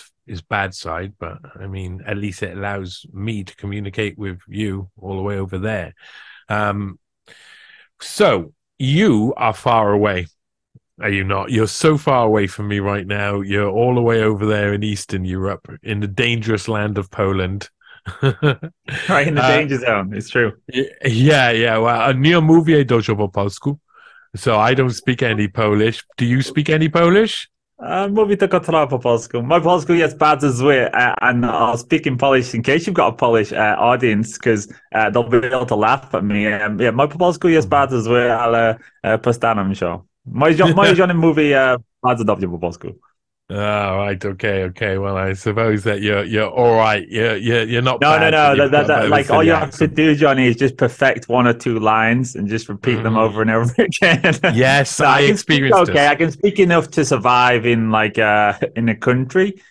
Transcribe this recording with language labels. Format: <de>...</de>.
<en>his bad side, but I mean, at least it allows me to communicate with you all the way over there. So you are far away. Are you not? You're so far away from me right now. You're all the way over there in Eastern Europe, in the dangerous land of Poland. Right in the danger zone. It's true. Yeah, yeah. Well,</en> <pl>nie mówię dużo po polsku,</pl> <en>so I don't speak any Polish. Do you speak any Polish?</en> <pl>Mówię tylko trochę po polsku. My polsku jest bardzo zły, and I'll speak in Polish in case you've got a Polish audience, because they'll be able to laugh at me. Yeah, my polsku jest bardzo zły, ale postaram się. Moje żony mówi bardzo dobrze po polsku.</pl> <en>Oh, right, okay. Well, I suppose that you're all right. You're not. No, bad, no. All you have to do, Johnny, is just perfect one or two lines and just repeat them over and over again. Yes, so I experienced. Okay, I can speak enough to survive in a country.</en>